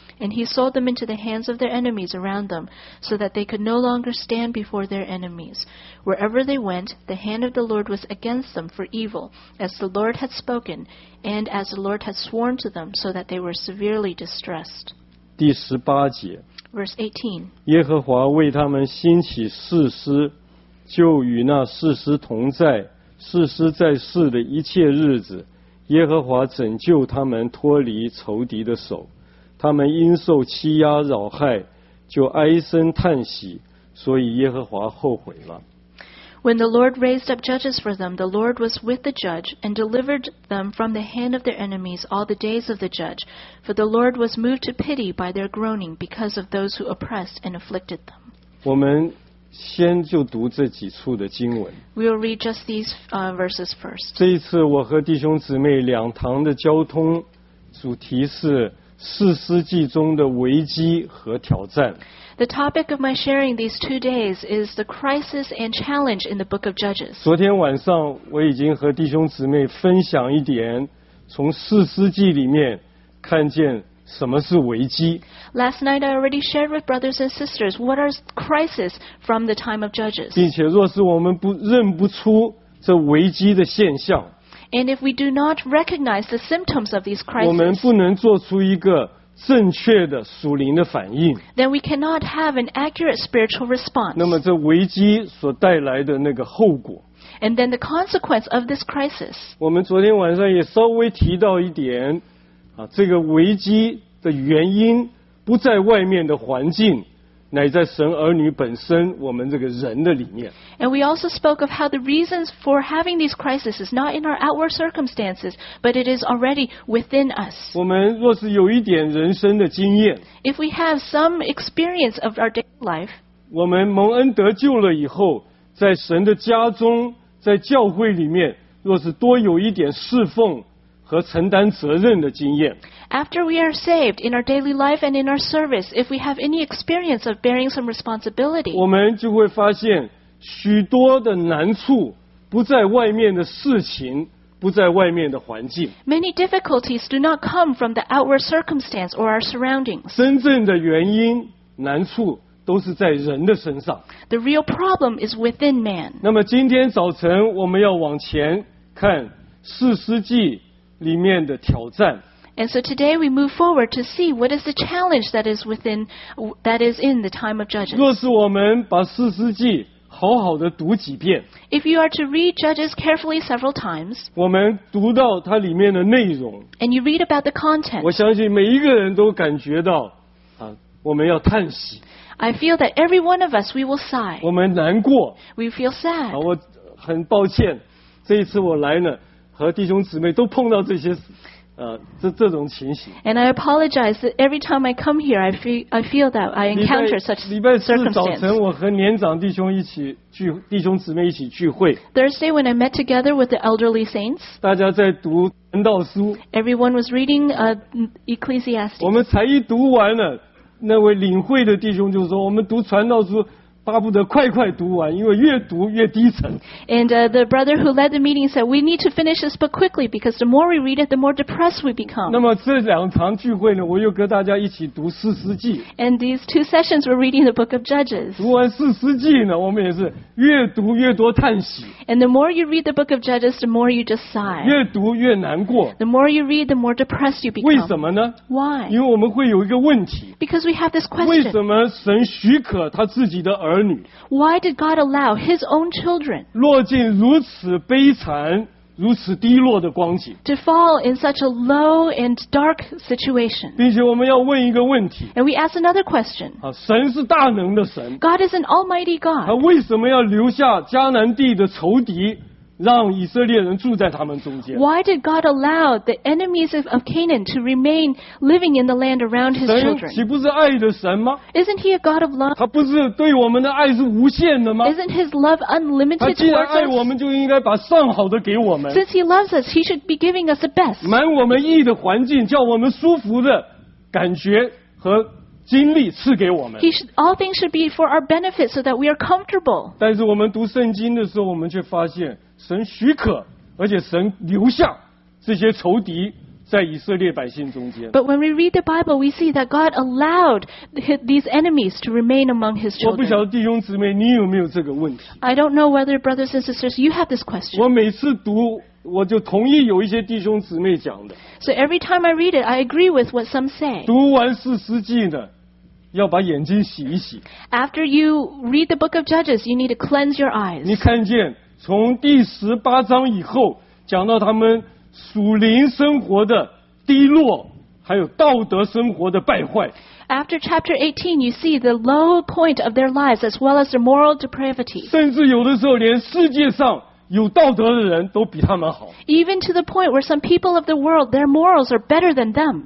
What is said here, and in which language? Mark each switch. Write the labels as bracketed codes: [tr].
[en] And he sold them into the hands of their enemies around them, so that they could no longer stand before their enemies. Wherever they went, the hand of the Lord was against them for evil, as the Lord had spoken, and as the Lord had sworn to them, so that they were severely distressed. [zh] 第十八节 [en] Verse 18 [zh] 耶和华为他们兴起士师，就与那士师同在，士师在世的一切日子，耶和华拯救他们脱离仇敌的手。他们因受欺压扰害，就哀声叹息，所以耶和华后悔了。 [en] When the Lord raised up judges for them, the Lord was with the judge and delivered them from the hand of their enemies all the days of the judge. For the Lord was moved to pity by their groaning because of those who oppressed and afflicted them. [zh] 我们先就读这几处的经文。 [en] We'll read just these verses first. [zh] 这一次我和弟兄姊妹两堂的交通主题是士师记中的危机和挑战。 [en] The topic of my sharing these 2 days is the crisis and challenge in the book of Judges. [zh] 昨天晚上我已经和弟兄姊妹分享一点，从士师记里面看见什么是危机。 [en] Last night I already shared with brothers and sisters what are crises from the time of Judges. [zh] 并且若是我们不认不出这危机的现象。 [en] And if we do not recognize the symptoms of these crises, [zh] 我们不能做出一个正确的属灵的反应。 [en] Then we cannot have an accurate spiritual response. [zh] 那么这危机所带来的那个后果。 [en] And then the consequence of this crisis. [zh] 我们昨天晚上也稍微提到一点，啊，这个危机的原因不在外面的环境。乃在神儿女本身，我们这个人的里面。 [en] And we also spoke of how the reasons for having these crises is not in our outward circumstances, but it is already within us. [zh] 我们若是有一点人生的经验 [en] ，If we have some experience of our daily life， [zh] 我们蒙恩得救了以后，在神的家中，在教会里面，若是多有一点侍奉和承担责任的经验。 [en] After we are saved in our daily life and in our service, if we have any experience of bearing some responsibility, [zh] 我们就会发现许多的难处不在外面的事情，不在外面的环境。 [en] Many difficulties do not come from the outward circumstance or our surroundings. [zh] 真正的原因，难处都是在人的身上。 [en] The real problem is within man. [zh] 那么今天早晨我们要往前看士师记里面的挑战。 [en] And so today we move forward to see what is the challenge that is within, that is in the time of Judges. [zh] 若是我们把士师记好好的读几遍， [en] If you are to read Judges carefully several times, [zh] 我们读到它里面的内容， [en] And you read about the content, [zh] 我相信每一个人都感觉到，啊，我们要叹息。 [en] I feel that every one of us, we will sigh. [zh] 我们难过。 [en] We feel sad. [zh] 啊，我很抱歉，这一次我来呢，和弟兄姊妹都碰到这些这种情形。 [en] And I apologize that every time I come here, I feel that I encounter such circumstances. [zh] 礼拜四早晨，我和年长弟兄弟兄姊妹一起聚会。 [en] Thursday when I met together with the elderly saints. [zh] 大家在读传道书。 [en] Everyone was reading Ecclesiastes. [zh] 我们才一读完了，那位领会的弟兄就说：“我们读传道书。” 巴不得快快读完，因为越读越低沉。 [en] And the brother who led the meeting said, "We need to finish this book quickly because the more we read it, the more depressed we become." [zh] 那么这两场聚会呢，我又跟大家一起读士师记。 [en] And these 2 sessions were reading the book of Judges. [zh] 读完士师记呢，我们也是越读越多叹息。 [en] And the more you read the book of Judges, the more you just sigh. [zh] 越读越难过。 [en] The more you read, the more depressed you become. [zh] 为什么呢 [en] ？Why? [zh] 因为我们会有一个问题。 [en] Because we have this question. [zh] 为什么神许可他自己的儿女？ [en] Why did God allow His own children [zh] 落进如此悲惨、如此低落的光景？ [en] To fall in such a low and dark situation. [zh] 并且我们要问一个问题。 [en] And we ask another question. [zh] 啊，神是大能的神。 [en] God is an almighty God. [zh] 他为什么要留下迦南地的仇敌，让以色列人住在他们中间？ [en] Why did God allow the enemies of Canaan to remain living in the land around his children? [zh] 神岂不是爱的神吗？ [en] Isn't he a God of love? [zh] 他不是对我们的爱是无限的吗？ [en] Isn't his love unlimited towards us? [zh] 他既然爱我们，就应该把上好的给我们。 [en] Since he loves us, he should be giving us the best. [zh] 满我们意的环境，叫我们舒服的感觉和经历赐给我们。 [en] All things should be for our benefit so that we are comfortable. [zh] 但是我们读圣经的时候，我们却发现神许可，而且神留下这些仇敌在以色列百姓中间。 [en] But when we read the Bible, we see that God allowed these enemies to remain among His children. [zh] 我不晓得弟兄姊妹，你有没有这个问题 [en] ？I don't know whether brothers and sisters you have this question. [zh] 我每次读，我就同意有一些弟兄姊妹讲的。 [en] So every time I read it, I agree with what some say. [zh] 读完四世纪呢，要把眼睛洗一洗。 [en] After you read the book of Judges, you need to cleanse your eyes. [zh] 你看见从第十八章以后，讲到他们属灵生活的低落，还有道德生活的败坏。 [en] After chapter 18, you see the low point of their lives as well as their moral depravity. [zh] 甚至有的时候连世界上有道德的人都比他们好。 [en] Even to the point where some people of the world, their morals are better than them.